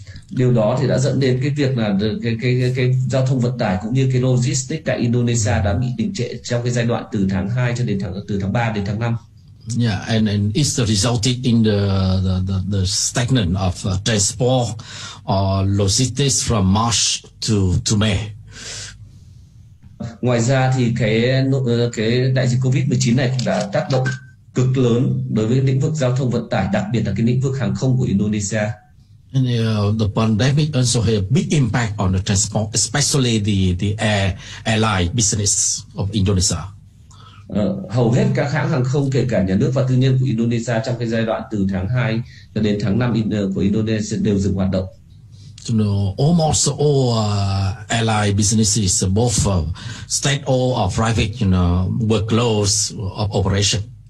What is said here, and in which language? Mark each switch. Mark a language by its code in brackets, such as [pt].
[vi] Điều đó thì đã dẫn đến cái việc là cái giao thông vận tải cũng như cái logistics tại Indonesia đã bị đình trệ trong cái giai đoạn từ tháng 2 cho đến tháng 3 đến tháng 5. [en] Yeah, and it's resulted in the stagnant of transport or logistics from March to May. [vi] Ngoài ra thì cái đại dịch Covid-19 này cũng đã tác động cực lớn đối với lĩnh vực giao thông vận tải, đặc biệt là cái lĩnh vực hàng không của Indonesia. [en] And the pandemic also had a big impact on the transport, especially the airline business of Indonesia. [vi] Hầu hết các hãng hàng không, kể cả nhà nước và tư nhân của Indonesia, trong cái giai đoạn từ tháng 2 cho đến tháng 5 của Indonesia đều dừng hoạt động. [en] You know, almost all airline businesses, both state owned or private, you know, were closed of operation.